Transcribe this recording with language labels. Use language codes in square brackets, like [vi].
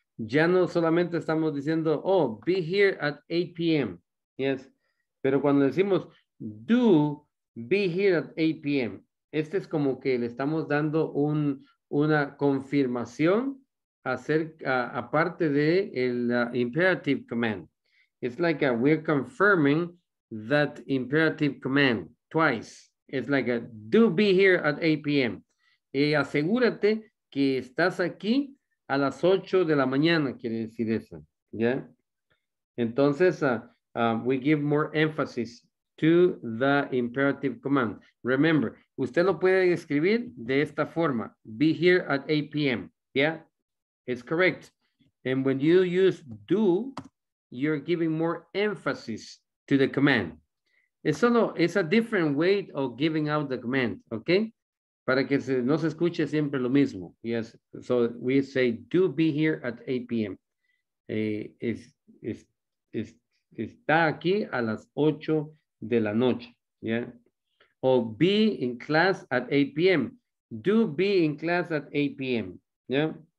[es] Ya no solamente estamos diciendo, [en] oh, be here at 8 p.m. Yes. [es] Pero cuando decimos, [en] do be here at 8 p.m., [es] este es como que le estamos dando una confirmación acerca, aparte de el imperative command. [en] It's like we're confirming that imperative command twice. It's like do be here at 8 p.m. [es] Asegúrate que estás aquí a las 8 de la mañana, quiere decir eso. [en] Yeah? Entonces, we give more emphasis to the imperative command. [es] Remember, usted lo puede escribir de esta forma. [en] Be here at 8 p.m. Yeah, it's correct. And when you use do, you're giving more emphasis to the command. It's a different way of giving out the command, okay? [es] Para que no se escuche siempre lo mismo. [en] Yes, so we say do be here at 8 p.m. [es] Está aquí a las 8 de la noche, yeah? [en] Or be in class at 8 p.m. Do be in class at 8 p.m. Yeah?